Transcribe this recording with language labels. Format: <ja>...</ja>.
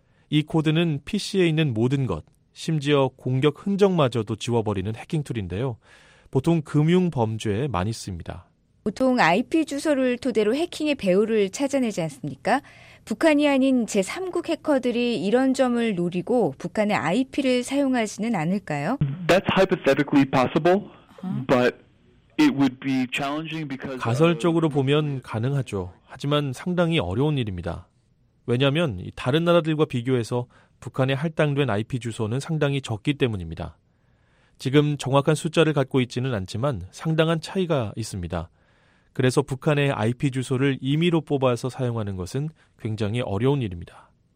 <ko>이 코드는 PC에 있는 모든 것, 심지어 공격 흔적마저도 지워버리는 해킹 툴인데요. 보통 금융 범죄에 많이 씁니다. 보통 IP 주소를 토대로 해킹의 배후를 찾아내지 않습니까? 북한이 아닌 제3국 해커들이 이런 점을 노리고 북한의 IP를 사용하지는 않을까요?</ko> <en>That's hypothetically possible, but it would be challenging because</en> <ko>가설적으로 보면 가능하죠. 하지만 상당히 어려운 일입니다. 왜냐하면 다른 나라들과 비교해서 북한에 할당된 IP 주소는 상당히 적기 때문입니다. 지금 정확한 숫자를 갖고 있지는 않지만 상당한 차이가 있습니다. 그래서 북한의 IP 주소를 임의로 뽑아서 사용하는 것은 굉장히 어려운 일입니다.</ko>